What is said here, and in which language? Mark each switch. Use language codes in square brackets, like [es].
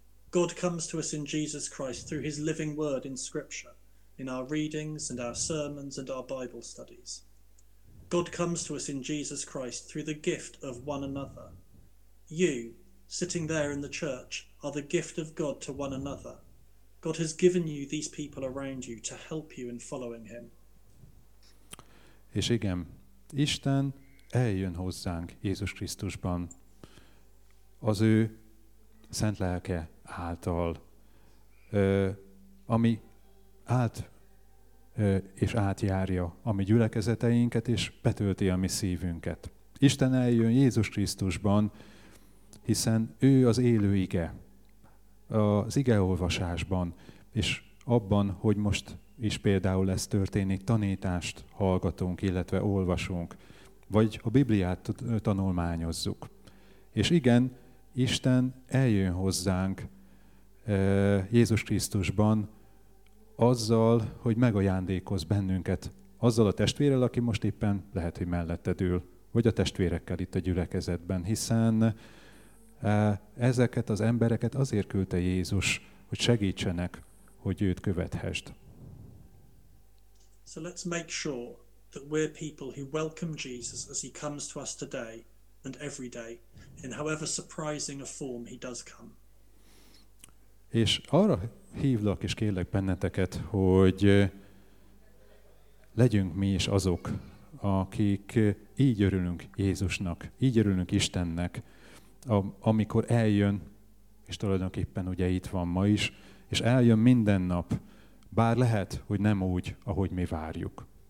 [en] God comes to us in Jesus Christ through his living word in Scripture, in our readings and our sermons and our Bible studies. God comes to us in Jesus Christ through the gift of one another. You, sitting there in the church, are the gift of God to one another. God has given you these people around you to help you in following him. [hu] És igen, Isten eljön hozzánk Jézus Krisztusban, az ő szent lelke által, ami át és átjárja a mi gyülekezeteinket, és betölti a mi szívünket. Isten eljön Jézus Krisztusban, hiszen ő az élő ige, az igeolvasásban, és abban, hogy most is például ez történik, tanítást hallgatunk, illetve olvasunk, vagy a Bibliát tanulmányozzuk. És igen, Isten eljön hozzánk Jézus Krisztusban azzal, hogy megajándékoz bennünket, azzal a testvérrel, aki most éppen lehet, hogy melletted ül, vagy a testvérekkel itt a gyülekezetben, hiszen ezeket az embereket azért küldte Jézus, hogy segítsenek, hogy őt követhesd. [en] So let's make sure that we're people who welcome Jesus as he comes to us today and every day, in however surprising a form he does come. [hu] És arra hívlak és kérlek benneteket, hogy legyünk mi is azok, akik így örülünk Jézusnak, így örülünk Istennek, amikor eljön, és tulajdonképpen ugye itt van ma is, és eljön minden nap, bár lehet, hogy nem úgy, ahogy mi várjuk.